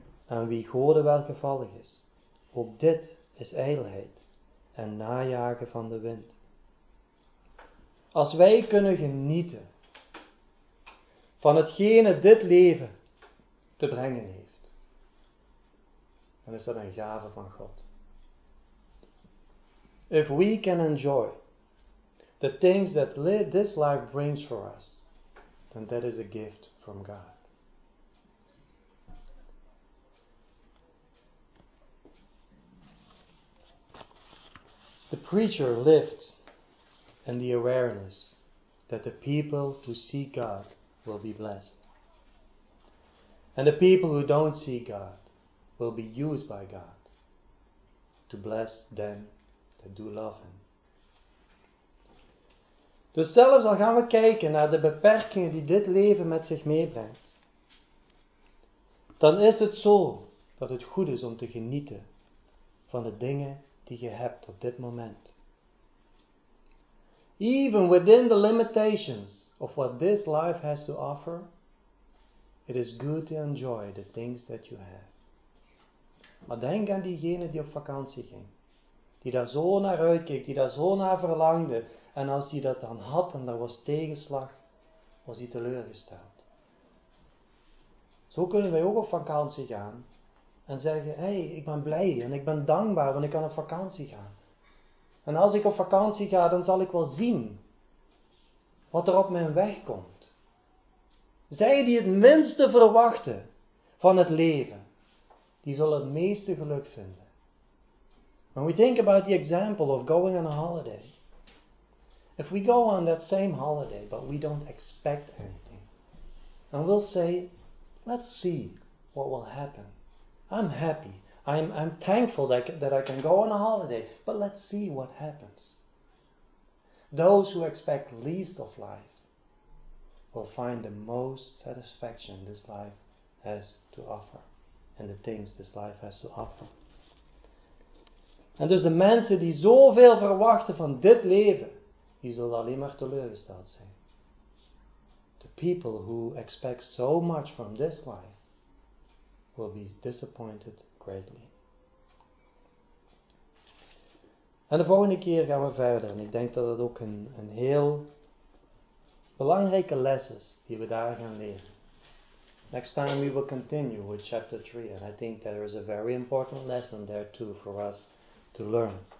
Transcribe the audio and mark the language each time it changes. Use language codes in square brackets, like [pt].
[nl] Aan wie Gode welgevallig is. Ook dit is ijdelheid en najagen van de wind. Als wij kunnen genieten van hetgene dit leven te brengen heeft, dan is dat een gave van God. [en] If we can enjoy the things that this life brings for us, then that is a gift from God. The preacher lived in the awareness that the people who seek God will be blessed. And the people who don't seek God will be used by God to bless them that do love Him. [nl] Dus zelfs al gaan we kijken naar de beperkingen die dit leven met zich meebrengt, dan is het zo dat het goed is om te genieten van de dingen die je hebt op dit moment. [en] Even within the limitations of what this life has to offer, it is good to enjoy the things that you have. [nl] Maar denk aan diegene die op vakantie ging, die daar zo naar uitkeek, die daar zo naar verlangde, en als hij dat dan had en daar was tegenslag, was hij teleurgesteld. Zo kunnen wij ook op vakantie gaan, en zeggen, hey, ik ben blij en ik ben dankbaar, want ik kan op vakantie gaan. En als ik op vakantie ga, dan zal ik wel zien wat er op mijn weg komt. Zij die het minste verwachten van het leven, die zullen het meeste geluk vinden. [en] When we think about the example of going on a holiday, if we go on that same holiday, but we don't expect anything, and we'll say, let's see what will happen. I'm happy. I'm thankful that I can go on a holiday. But let's see what happens. Those who expect least of life will find the most satisfaction this life has to offer. And the things this life has to offer. [nl] En dus de mensen die zoveel verwachten van dit leven, die zullen alleen maar teleurgesteld zijn. [en] The people who expect so much from this life will be disappointed greatly. [nl] En de volgende keer gaan we verder. En ik denk dat dat ook een heel belangrijke les is die we daar gaan leren. [en] Next time we will continue with chapter 3. And I think there is a very important lesson there too for us to learn.